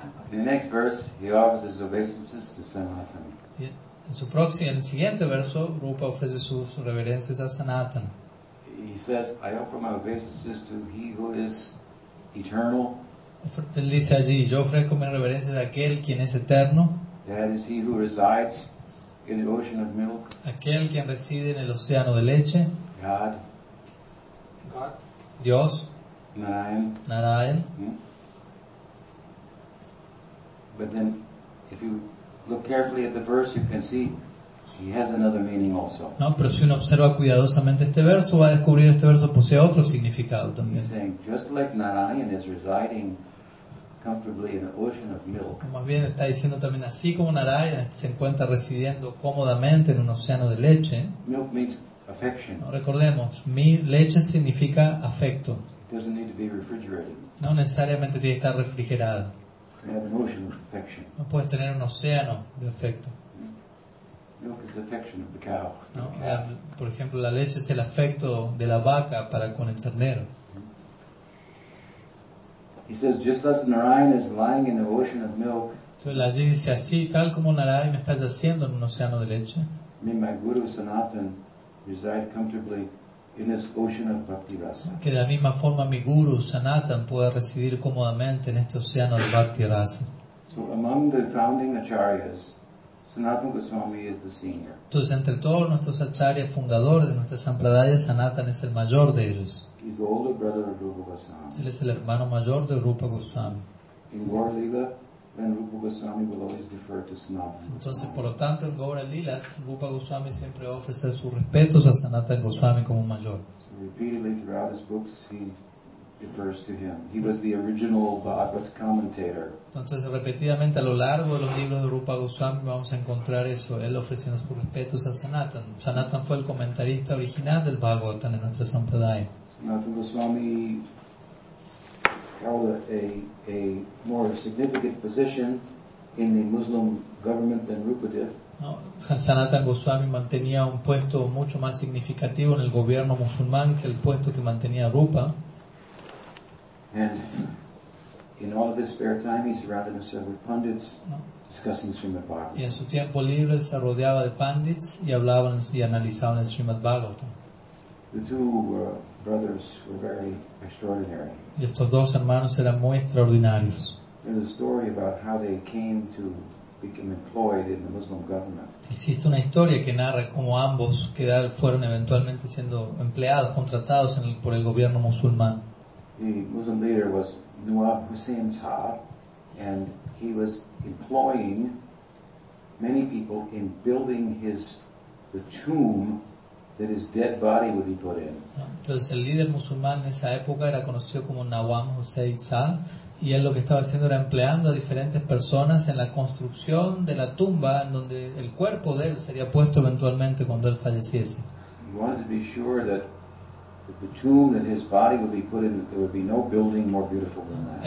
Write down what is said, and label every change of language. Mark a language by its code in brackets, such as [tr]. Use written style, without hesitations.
[en] In the next verse, he offers his obeisances to Sanatana. [es] En su próximo, en el siguiente verso, Rupa ofrece sus reverencias a Sanatana. [en] He says, I offer my obeisances to he who is eternal. [es] Él dice allí, yo ofrezco mis reverencias a aquel quien es eterno, [en] that is he who resides in the ocean of milk, [es] aquel quien reside en el océano de leche, [en] God, [es] Dios, [en] Narayan. Hmm? But then, if you look carefully at the verse, you can see he has another meaning also. [es] No, pero si uno observa cuidadosamente este verso, va a descubrir este verso posee otro significado también. [en] He's saying, just like Narayan is residing comfortably in an ocean of milk. [es] Más bien está diciendo también así como Narayan se encuentra residiendo cómodamente en un océano de leche. [en] Milk means affection. [es] No, recordemos, leche significa afecto. [en] It doesn't need to be refrigerated. [es] No necesariamente tiene que estar refrigerada. [en] You have an ocean of affection. [es] No puedes tener un océano de afecto. [en] Milk is the affection of the cow. [es] No, por ejemplo, la leche es el afecto de la vaca para con el ternero. [en] He says, just as Narayan is lying in the ocean of milk. [es] Entonces allí dice así, tal como Narayan está yaciendo en un océano de leche. [en] May my Guru Sanatan reside comfortably in this ocean of Bhakti Rasa. [es] Que de la misma forma mi Guru Sanatan pueda residir cómodamente en este océano de Bhakti Rasa. [en] So among the founding acharyas, Sanatan Goswami is the senior. [es] Entonces entre todos nuestros acharyas fundadores de nuestra sampradaya, Sanatan es el mayor de ellos. [en] He's the older brother of Rupa Goswami. [es] Él es el hermano mayor de Rupa Goswami. [en] In Gaura Lila, then Rupa Goswami will always defer to Sanatana. [es] Entonces, por lo tanto, en Gaura Lila, Rupa Goswami siempre ofrece sus respetos a Sanatana Goswami como mayor. [en] So repeatedly throughout his books, he defers to him. He was the original Bhagavad commentator. [es] Entonces, repetidamente a lo largo de los libros de Rupa Goswami vamos a encontrar eso, él ofreciendo sus respetos a Sanatana. Sanatana fue el comentarista original del Bhagavatam en nuestra sampradaya. [en] Sanatana Goswami held a more significant position in the Muslim government than Rupa did. [es] No, Sanatana Goswami mantenía un puesto mucho más significativo en el gobierno musulmán que el puesto que mantenía Rupa. [en] And in all of his spare time, he surrounded himself with pundits. No. Discussing Srimad Bhagavatam. [es] Y en su tiempo libre se rodeaba de pandits y hablaban y analizaban el Srimad Bhagavatam. [en] The two brothers were very extraordinary. [es] Y estos dos hermanos eran muy extraordinarios. [en] There's a story about how they came to become employed in the Muslim government. [es] Existe una historia que narra cómo ambos quedaron, fueron eventualmente siendo empleados, contratados en el, por el gobierno musulmán. [en] The Muslim leader was Nawab Hussein Saab, and he was employing many people in building the tomb that his dead body would be put in. [es] Entonces el líder musulmán en esa época era conocido como Nawab Hussein Saab, y él lo que estaba haciendo era empleando a diferentes personas en la construcción de la tumba en donde el cuerpo de él sería puesto eventualmente cuando él falleciese. [en] He wanted to be sure that the tomb that his body would be put in, that there would be no building more beautiful than that.